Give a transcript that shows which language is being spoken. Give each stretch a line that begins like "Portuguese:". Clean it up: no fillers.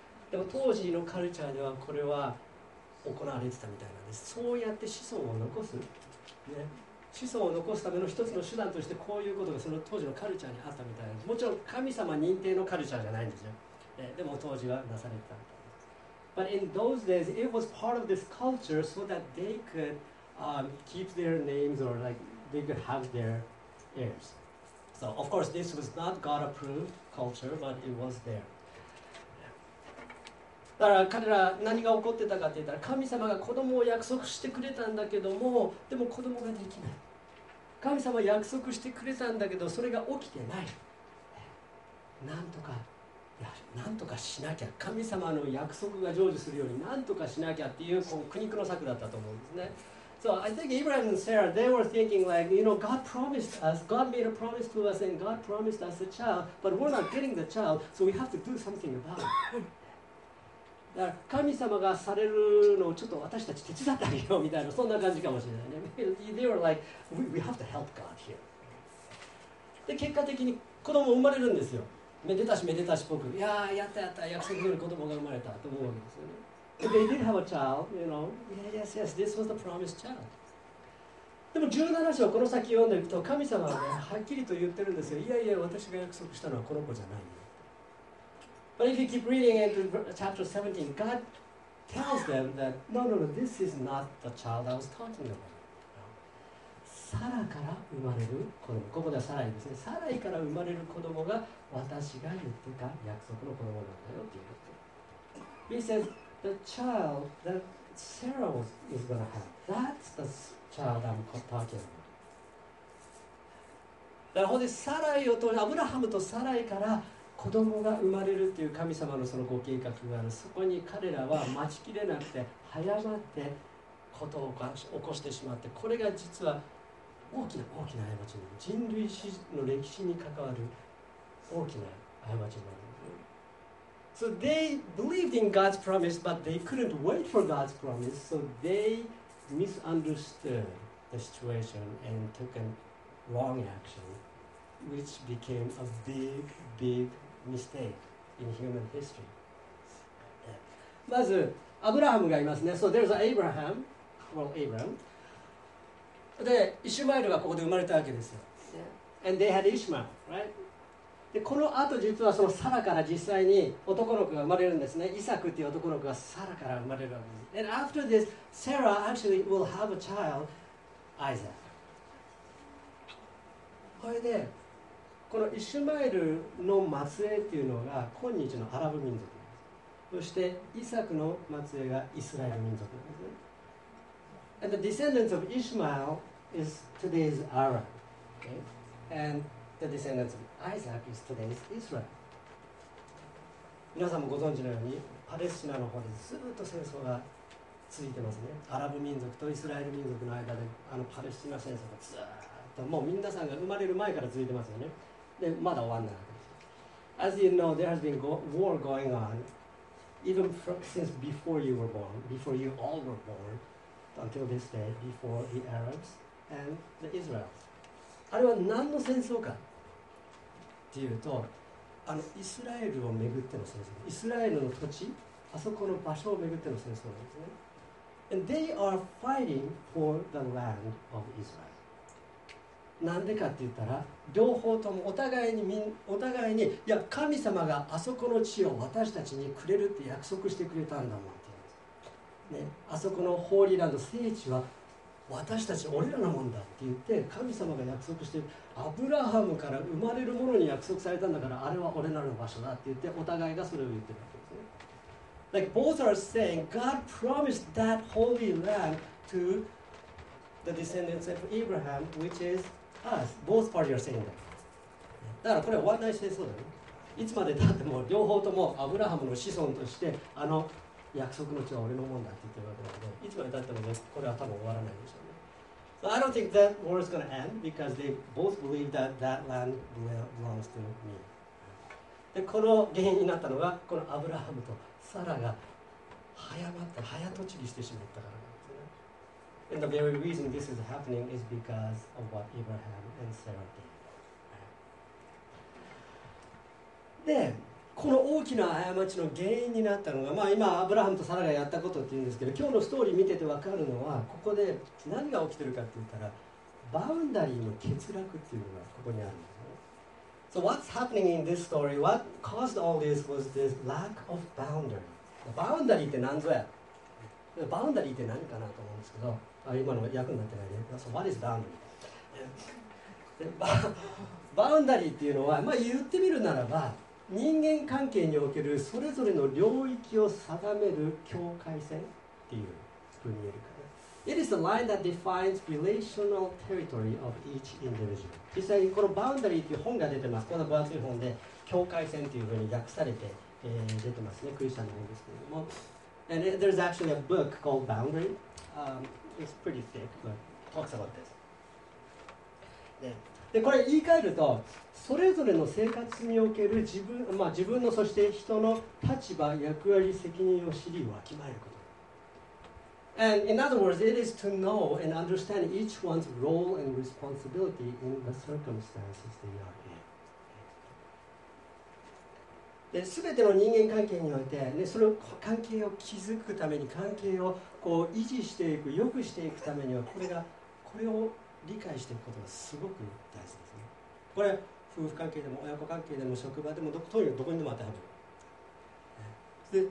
Japanese: でも当時のカルチャーではこれは行われてたみたいなんです。そうやって子孫を残す、ね、子孫を残すための一つの手段として、こういうことがその当時のカルチャーにあったみたいな。もちろん神様認定のカルチャーじゃないんですよ。でも当時はなされてた。
English: But in those days, it was part of this culture so that they could、keep their names or like they could have their heirs. So of course this was not God-approved culture, but it was there.
Japanese: だから彼ら何が起こってたかって言ったら、神様が子供を約束してくれたんだけども、でも子供ができない。神様約束してくれたんだけどそれが起きてない。なんとか、いや、なんとかしなきゃ、神様の約束が成就するようになんとかしなきゃっていう、こう苦肉の策だったと思うんですね。
English: So I think Abraham and Sarah, they were thinking like, you know, God promised us, God made a promise to us and God promised us a child, but we're not getting the child, so we have to do something about it.
Japanese: だから神様がされるのをちょっと私たち手伝ってあげようみたいな、そんな感じかもしれないね。
English: They were like, we have to help God here.
Japanese: で結果的に子供生まれるんですよ。めでたしめでたしっぽく、いやーやったやった、約束通り子供が生まれたと思うわけですよね。
English: They did have a child, you know. Yeah, yes, yes, this was the promised child.
Japanese: でも17章この先読んでいくと、神様は、ね、はっきりと言ってるんですよ。いやいや、私が約束したのはこの子じゃない。
English: But if you keep reading into chapter 17, God tells them that no, this is not the child I was talking about.
Japanese: サラから生まれる子供、ここではサライですね。サライから生まれる子供が私が言ってた約束の子供なんだよって言って。
English: He says the child that Sarah is going to have, that's the child I'm talking about.
Japanese: だからほんでサライを通り、アブラハムとサライから子供が生まれるっていう神様のそのご計画がある。そこに彼らは待ちきれなくて早まってことを起こしてしまって、これが実は大きな過ちなの。人類史の歴史に関わる大きな過ちなの。
English: So they believed in God's promise, but they couldn't wait for God's promise. So they misunderstood the situation and took a wrong action, which became a big mistake in human history.
Japanese: まず、アブラハムがいますね。
English: So there's Abraham, well, Abraham.
Japanese: で、イシュマエルがここで生まれたわけですよ。
English: And they had Ishmael, right?
Japanese: で、このあと実はそのサラから実際に男の子が生まれるんですね。イサクっていう男の子がサラから生まれるわけです。
English: And after this, Sarah actually will have a child, Isaac.
Japanese: これで、このイシュマエルの末裔っていうのが今日のアラブ民族です。そしてイサクの末裔がイスラエル民族です。
English: And the descendants of Ishmael is today's Arab. Okay? And the descendants of Isaac is today's Israel.
Japanese: 皆さんもご存知のようにパレスチナの方でずっと戦争が続いてますね。アラブ民族とイスラエル民族の間であのパレスチナ戦争がずっともう皆さんが生まれる前から続いてますよね。で、まだ終わんないわけです。
English: As you know, there has been war going on even since before you were born, before you all were born, until this day, before the Arabs and the Israelis.
Japanese: あれは何の戦争かっていうと、あのイスラエルをめぐっての戦争、イスラエルの土地、あそこの場所をめぐっての戦争なんですね。
English: And they are fighting for the land of Israel.
Japanese: なんでかって言ったら、両方ともお互いに、いや神様があそこの地を私たちにくれるって約束してくれたんだもんって言うんです、ね、あそこのホーリーランド、聖地は私たち俺らのもんだって言って神様が約束して、アブラハムから生まれるものに約束されたんだから、あれは俺らの場所だって言ってお互いがそれを言ってるわけですね。
English: Like both are saying God promised that holy land to the descendants of Abraham, which is us. Both parties are saying that.
Japanese: だからこれは終わらない戦争だよ、ね、いつまでたっても両方ともアブラハムの子孫としてあの約束の地は俺のもんだって言ってるわけなので、いつまで経っても、ね、これは多分終わらないでしょうね。
English: So、I don't think that war is going to end because they both believe that that land belongs to me.
Japanese: で、この原因になったのが、このアブラハムとサラが早まって、早とちりしてしまったからなんですね。
English: And the very reason this is happening is because of what Abraham and Sarah did.
Japanese: で、この大きな過ちの原因になったのが、まあ、今アブラハムとサラがやったことっていうんですけど、今日のストーリー見てて分かるのはここで何が起きてるかって言ったら、バウンダリーの欠落っていうのがここにあるんですね。
English: So what's happening in this story? What caused all this was this lack of boundary.
Japanese: バウンダリーって何ぞや？バウンダリーって何かなと思うんですけど、あ、今の役になってないね。
English: So what is boundary?
Japanese: バウンダリーっていうのは、まあ、言ってみるならば人間関係におけるそれぞれの領域を定める境界線っていうふうに言えるかな。
English: It is the line that defines relational territory of each individual.
Japanese: 実際にこの Boundary っていう本が出てます。この分厚い本で境界線っていうふうに訳されて、出てますね。クリスチャンの本ですけれども。
English: And there's actually a book called Boundary.、It's pretty thick, but it talks about this.、
Japanese: ね、でこれ言い換えるとそれぞれの生活における自分、まあ、自分のそして人の立場役割責任を知りわきまえること。
English: And in other words, it is to know and understand each one's role and responsibility in the circumstances they are in.
Japanese: で全ての人間関係において、ね、その関係を築くために関係をこう維持していく良くしていくためにはこれを理解していくことがすごく大事ですね。これ夫婦関係でも親子関係でも職場でもどこにでも当てはまる。